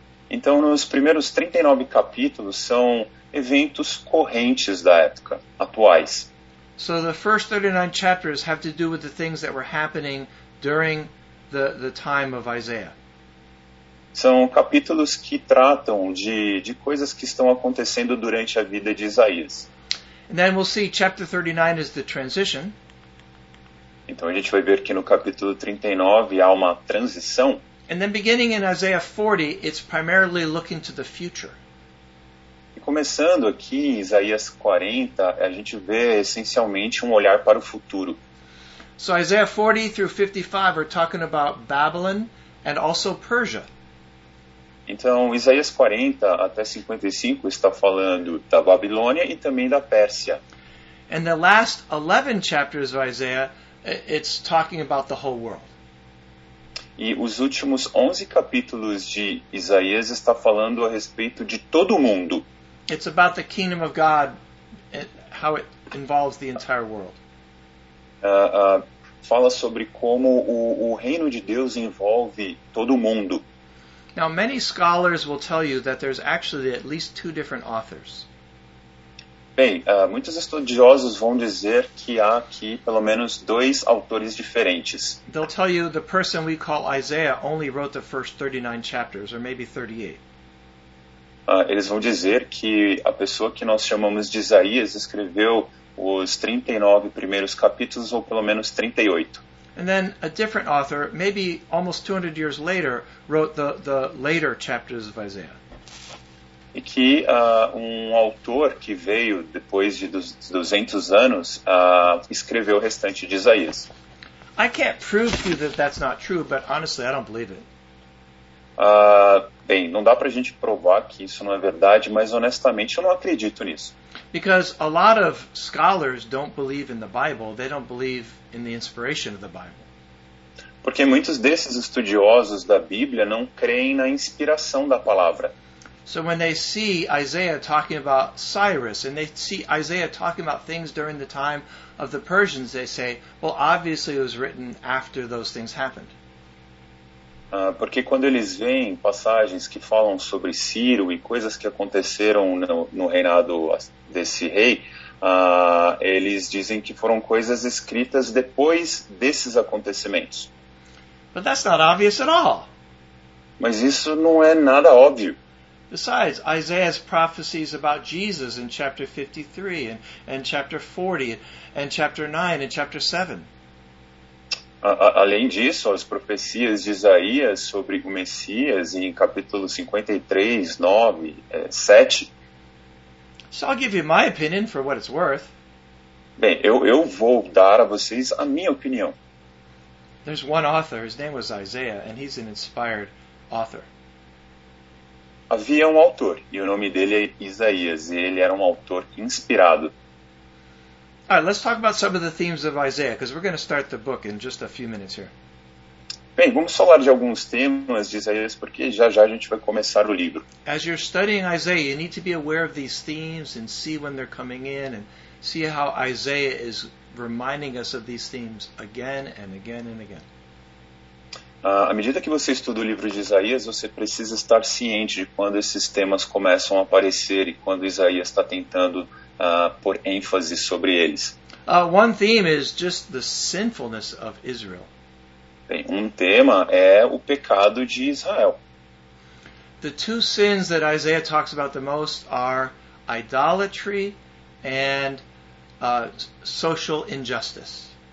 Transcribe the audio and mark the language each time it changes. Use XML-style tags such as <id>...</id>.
<pt>Então, nos primeiros 39 capítulos são eventos correntes da época, atuais.</pt> <en>So the first 39 chapters have to do with the things that were happening during the time of Isaiah.</en> <pt>São capítulos que tratam de coisas que estão acontecendo durante a vida de Isaías.</pt> <en>And then we'll see chapter 39 is the transition.</en> <pt>Então a gente vai ver que no capítulo 39 há uma transição.</pt> <en>And then beginning in Isaiah 40, it's primarily looking to the future.</en> <pt>E começando aqui em Isaías 40, a gente vê essencialmente um olhar para o futuro.</pt> <en>So Isaiah 40 through 55 are talking about Babylon and also Persia.</en> <pt>Então, Isaías 40 até 55 está falando da Babilônia e também da Pérsia.</pt> <en>And the last 11 chapters of Isaiah, it's talking about the whole world.</en> <pt>E os últimos 11 capítulos de Isaías está falando a respeito de todo o mundo.</pt> <en>It's about the kingdom of God, how it involves the entire world.</en> <pt>Fala sobre como o reino de Deus envolve todo o mundo.</pt> <en>Now, many scholars will tell you that there's actually at least two different authors.</en> <pt>Bem, muitos estudiosos vão dizer que há aqui pelo menos dois autores diferentes.</pt> <en>They'll tell you the person we call Isaiah only wrote the first 39 chapters, or maybe 38.</en> <pt>Eles vão dizer que a pessoa que nós chamamos de Isaías escreveu os 39 primeiros capítulos, ou pelo menos 38.</pt> <en>And then a different author, maybe almost 200 years later, wrote the later chapters of Isaiah.</en> <pt>E que um autor que veio depois de 200 anos escreveu o restante de Isaías.</pt> <en>I can't prove to you that that's not true, but honestly, I don't believe it.</en> <pt>Bem, não dá pra gente provar que isso não é verdade, mas honestamente eu não acredito nisso.</pt> <en>Because a lot of scholars don't believe in the Bible, they don't believe in the inspiration of the Bible.</en> <pt>Porque muitos desses estudiosos da Bíblia não creem na inspiração da palavra.</pt> <en>So when they see Isaiah talking about Cyrus, and they see Isaiah talking about things during the time of the Persians, they say, well, obviously it was written after those things happened.</en> <pt>Porque quando eles veem passagens que falam sobre Ciro e coisas que aconteceram no reinado desse rei, eles dizem que foram coisas escritas depois desses acontecimentos.</pt> <en>But that's not obvious at all.</en> <pt>Mas isso não é nada óbvio.</pt> <en>Besides, Isaiah's prophecies about Jesus in chapter 53 and chapter 40 and chapter 9 and chapter 7.</en> <pt>Além disso, as profecias de Isaías sobre o Messias em capítulo 53, 9, 7.</pt> <en>So I'll give you my opinion for what it's worth.</en> <pt>Bem, eu vou dar a vocês a minha opinião.</pt> <en>There's one author, his name was Isaiah, and he's an inspired author.</en> <pt>Havia um autor, e o nome dele é Isaías, e ele era um autor inspirado.</pt> <en>All right, let's talk about some of the themes of Isaiah, because we're going to start the book in just a few minutes here.</en> <pt>Bem, vamos falar de alguns temas de Isaías, porque já a gente vai começar o livro.</pt> <en>As you're studying Isaiah, you need to be aware of these themes and see when they're coming in and see how Isaiah is reminding us of these themes again and again and again.</en> <pt>À medida que você estuda o livro de Isaías, você precisa estar ciente de quando esses temas começam a aparecer e quando Isaías está tentando por ênfase sobre eles.</pt> <en>One theme is just the sinfulness of Israel.</en> <pt>Bem, um tema é o pecado de Israel.</pt> <en>The two sins that Isaiah talks about the most are idolatry and social injustice.</en>